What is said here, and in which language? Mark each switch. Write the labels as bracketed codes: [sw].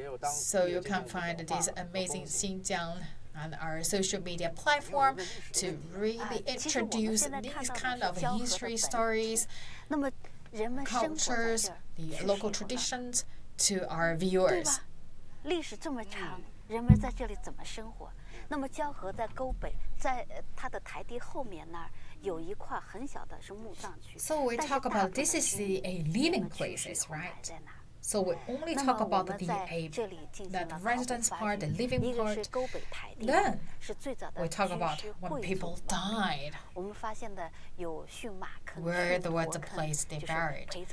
[en] So you can find this amazing Xinjiang on our social media platform to really introduce these kind of history stories, cultures, the local traditions to our viewers. [zh] 历史这么长，人们在这里怎么生活？那么交河在沟北，在它的台地后面那儿有一块很小的是墓葬区。 [en] So we talk about this is a living places, right? So we only talk about the residence part, the living part. Then we talk about when people died, where there was a place they buried.